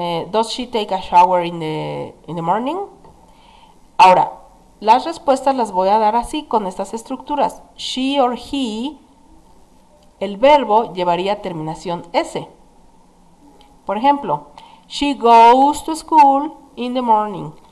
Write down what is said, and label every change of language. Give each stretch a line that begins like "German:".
English: Does she take a shower in the morning?
Spanish: Ahora, las respuestas las voy a dar así, con estas estructuras.
English: She or he,
Spanish: el verbo llevaría terminación S. Por ejemplo,
English: she goes to school in the morning.